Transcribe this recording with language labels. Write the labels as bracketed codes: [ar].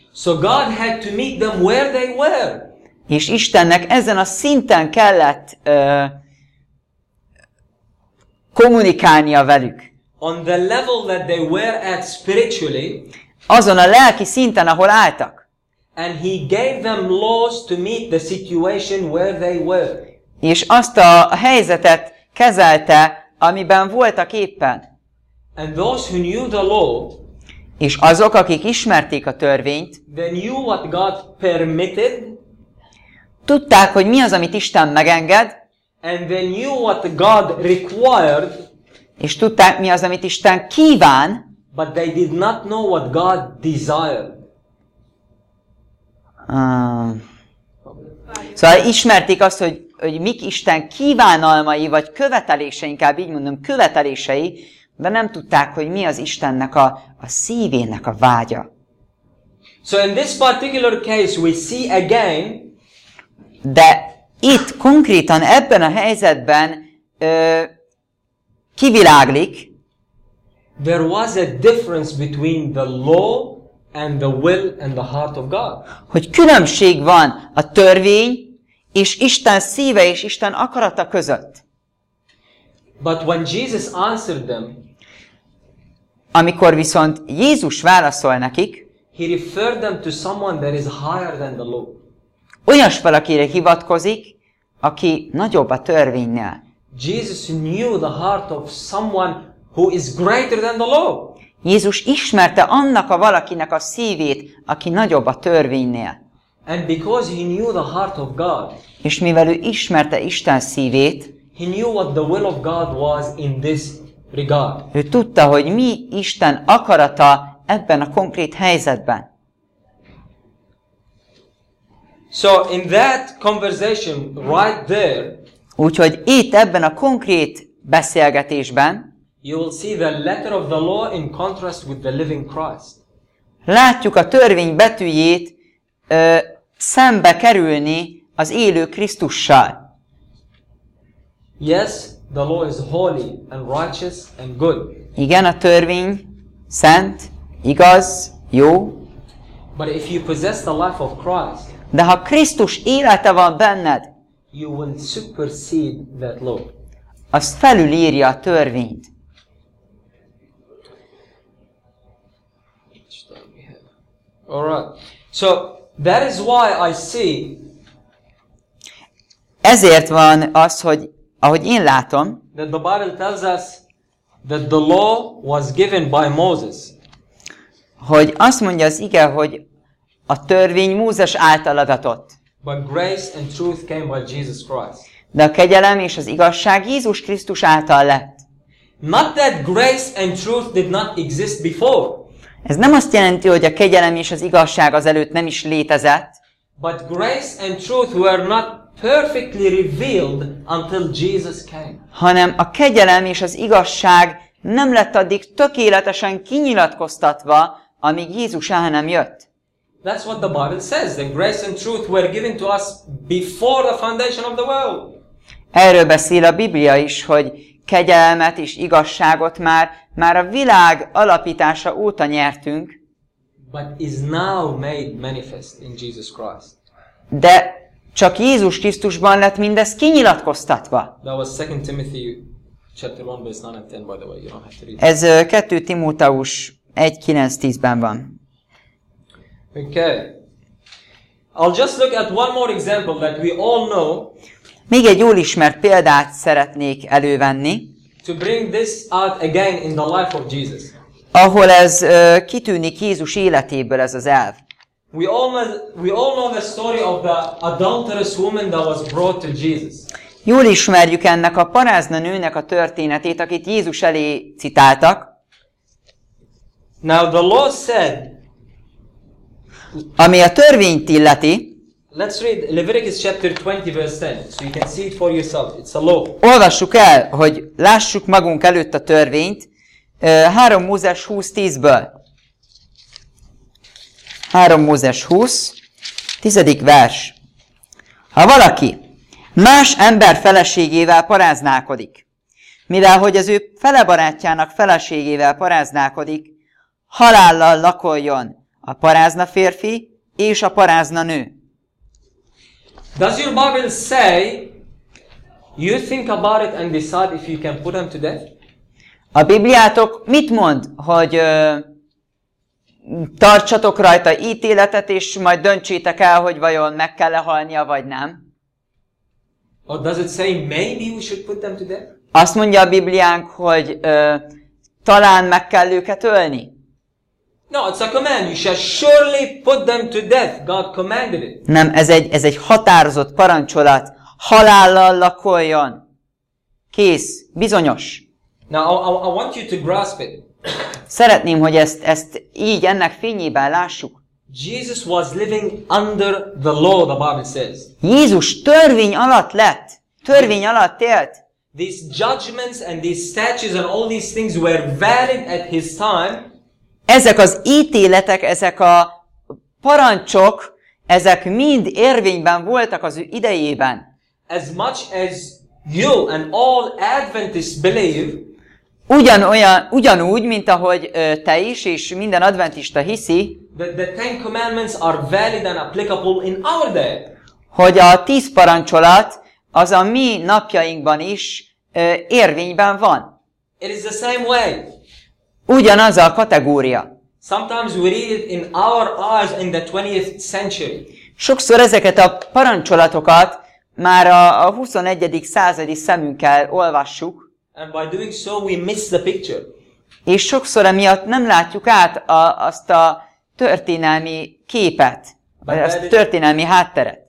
[en] So God had to meet them where they were. [hu] És Istennek ezen a szinten kellett kommunikálnia velük. [en] On the level that they were at spiritually. [hu] Azon a lelki szinten, ahol álltak. [en] And he gave them laws to meet the situation where they were. [hu] És azt a helyzetet kezelte, amiben voltak éppen. [en] And those who knew the law, [hu] és azok, akik ismerték a törvényt, [en] they knew what God permitted, [hu] tudták, hogy mi az, amit Isten megenged, [en] and they knew what God required, [hu] és tudták, mi az, amit Isten kíván, [en] but they did not know what God desired. [hu] Szóval ismerték azt, hogy mik Isten kívánalmai, vagy követelései, inkább így mondom, követelései, de nem tudták, hogy mi az Istennek a szívének a vágya. [en] So in this particular case we see again, [hu] de itt konkrétan ebben a helyzetben kiviláglik, [en] there was a difference between the law and the will and the heart of God. [hu] Hogy különbség van a törvény és Isten szíve és Isten akarata között. [en] But when Jesus answered them, [hu] amikor viszont Jézus válaszol nekik, [en] he referred them to someone that is higher than the law. [hu] Olyas valakire hivatkozik, aki nagyobb a törvénynél. [en] Jesus knew the heart of someone who is greater than the law. [hu] Jézus ismerte annak a valakinek a szívét, aki nagyobb a törvénynél. [en] And because he knew the heart of God. [hu] És mivel ő ismerte Isten szívét, [en] he knew what the will of God was in this regard. [hu] Ő tudta, hogy mi Isten akarata ebben a konkrét helyzetben. [en] So in that conversation right there, [hu] úgyhogy itt ebben a konkrét beszélgetésben, [en] you will see the letter of the law in contrast with the living Christ. [hu] Látjuk a törvény betűjét szembe kerülni az élő Krisztussal. [en] Yes, the law is holy and righteous and good. [hu] Igen, a törvény szent, igaz, jó. [en] But if you possess the life of Christ, [hu] de ha Krisztus élete van benned, [en] you will supersede that law. [hu] Az felülírja a törvényt. [en] All right. So that is why I see. [hu] Ezért van az, hogy ahogy én látom, [en] that the Bible tells us that the law was given by Moses. [hu] Hogy azt mondja az ige, hogy a törvény Mózes által adatott. [en] But grace and truth came by Jesus Christ. [hu] De a kegyelem és az igazság Jézus Krisztus által lett. [en] Not that grace and truth did not exist before. [hu] Ez nem azt jelenti, hogy a kegyelem és az igazság azelőtt nem is létezett. [en] But grace and truth were not perfectly revealed until Jesus came. [hu] Hanem a kegyelem és az igazság nem lett addig tökéletesen kinyilatkoztatva, amíg Jézus el nem jött. [en] That's what the Bible says. The grace and truth were given to us before the foundation of the world. [hu] Erről beszél a Biblia is, hogy kegyelmet és igazságot már a világ alapítása óta nyertünk. [en] But is now made manifest in Jesus Christ. [hu] De csak Jézus Krisztusban lett mindez kinyilatkoztatva. [en] That was 2 Timothy chapter 1 verse 9 and 10 by the way. You don't have to read. [hu] Ez 2 Timóteus 1:9-10-ben van. [en] Okay. I'll just look at one more example that we all know. [hu] Még egy jól ismert példát szeretnék elővenni. [en] To bring this out again in the life of Jesus. [hu] Ahol ez kitűnik Jézus életéből ez az elv. [en] We all know the story of the adulterous woman that was brought to Jesus. [hu] Jól ismerjük ennek a parázna nőnek a történetét, akit Jézus elé citáltak. [en] Now the law said, [hu] ami a törvényt illeti. [en] Let's read Leviticus chapter 20 verse 10, so you can see it for yourself. It's a law. [hu] Olvassuk el, hogy lássuk magunk előtt a törvényt. 3 Mózes 20:10-ből. 3 Mózes 20, 10. vers. Ha valaki más ember feleségével paráználkodik, mivel hogy az ő fele barátjának feleségével paráználkodik, halállal lakoljon a parázna férfi és a parázna nő. [en] Does your Bible say you think about it and decide if you can put them to death? [hu] A Bibliátok mit mond, hogy tartsatok rajta ítéletet, és majd döntsétek el, hogy vajon meg kell-e halnia, vagy nem? [en] Or does it say maybe we should put them to death? [hu] Azt mondja a Bibliánk, hogy talán meg kell őket ölni? [en] No, it's a command. You shall surely put them to death. God commanded it. [hu] Nem, ez egy határozott parancsolat. Halállal lakoljon. Kész. Bizonyos. [en] Now I want you to grasp it. [hu] Szeretném, hogy ezt így ennek fényében lássuk. [en] Jesus was living under the law, the Bible says. [hu] Jézus törvény alatt lett. Törvény alatt élt. [en] These judgments and these statutes and all these things were valid at his time. [hu] Ezek az ítéletek, ezek a parancsok, ezek mind érvényben voltak az ő idejében. [en] As much as you and all Adventists believe, [hu] ugyanúgy, mint ahogy te is, és minden adventista hiszi, [en] the Ten Commandments are valid and applicable in our day. [hu] Hogy a 10 parancsolat az a mi napjainkban is érvényben van. [en] It is the same way. [hu] Ugyanaz a kategória. [en] Sometimes we read it in our eyes in the 20th century. [hu] Sokszor ezeket a parancsolatokat már a 21. századi szemünkkel olvassuk. [en] And by doing so we miss the picture. [hu] És sokszor emiatt nem látjuk át azt a történelmi képet, vagy azt a történelmi hátteret.